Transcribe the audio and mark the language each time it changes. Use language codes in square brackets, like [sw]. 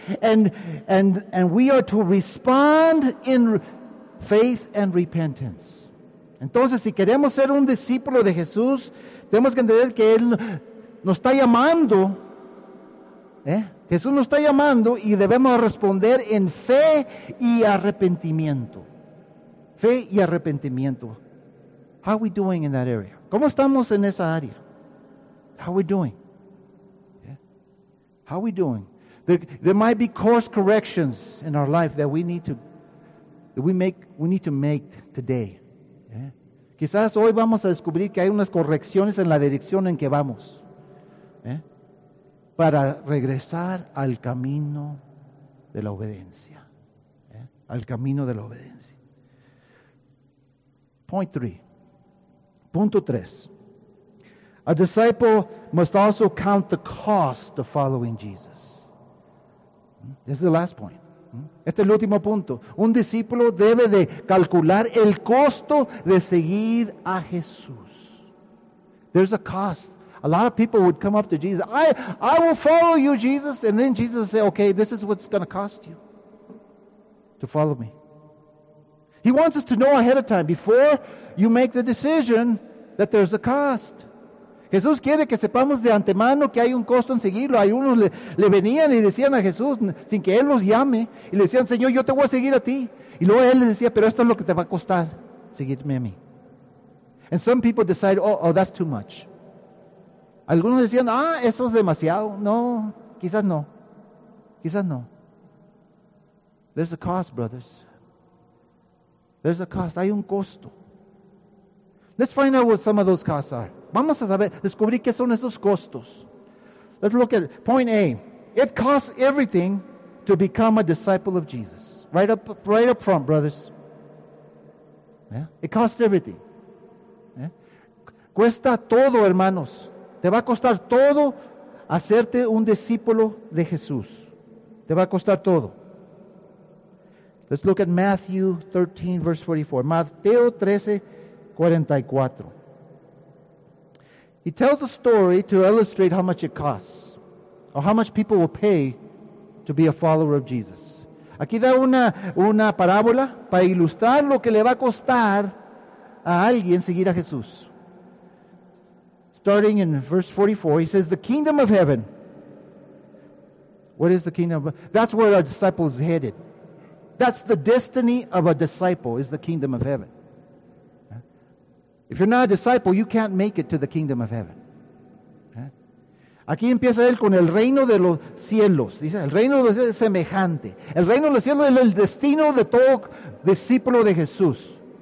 [en] And we are to respond in faith and repentance. [es] Entonces, si queremos ser un discípulo de Jesús, tenemos que entender que Él nos está llamando. ¿Eh? Jesús nos está llamando y debemos responder en fe y arrepentimiento. Fe y arrepentimiento. [en] How are we doing in that area? [es] ¿Cómo estamos en esa área? [en] How are we doing? Yeah. How are we doing? There might be course corrections in our life that we need to make today. Yeah. [es] Quizás hoy vamos a descubrir que hay unas correcciones en la dirección en que vamos. ¿Eh? Para regresar al camino de la obediencia. ¿Eh? Al camino de la obediencia. Punto 3. [en] A disciple must also count the cost of following Jesus. This is the last point. [es] Este es el último punto. Un discípulo debe de calcular el costo de seguir a Jesús. [en] There's a cost. A lot of people would come up to Jesus. I will follow you, Jesus. And then Jesus would say, okay, this is what's going to cost you to follow me. He wants us to know ahead of time, before you make the decision, that there's a cost. [es] Jesús quiere que sepamos de antemano que hay un costo en seguirlo. Hay unos le venían y decían a Jesús, sin que Él los llame, y le decían, Señor, yo te voy a seguir a ti. Y luego Él les decía, pero esto es lo que te va a costar, seguirme a mí. [en] And some people decide, oh, that's too much. [es] Algunos decían, eso es demasiado. No, quizás no. Quizás no. [en] There's a cost, brothers. There's a cost. [es] Hay un costo. [en] Let's find out what some of those costs are. [es] Vamos a saber, descubrir qué son esos costos. [en] Let's look at point A. It costs everything to become a disciple of Jesus. Right up front, brothers. Yeah. It costs everything. [es] Yeah. Cuesta todo, hermanos. Te va a costar todo hacerte un discípulo de Jesús. Te va a costar todo. [en] Let's look at Matthew 13, verse 44. Mateo 13, 44. He tells a story to illustrate how much it costs, or how much people will pay to be a follower of Jesus. [es] Aquí da una parábola para ilustrar lo que le va a costar a alguien seguir a Jesús. [en] Starting in verse 44, he says, the kingdom of heaven. What is the kingdom of heaven? That's where a disciple is headed. That's the destiny of a disciple, is the kingdom of heaven. If you're not a disciple, you can't make it to the kingdom of heaven. [es] Aquí empieza él con el reino de los cielos. Dice, el reino de los cielos es semejante. El reino de los cielos es el destino de todo discípulo de Jesús.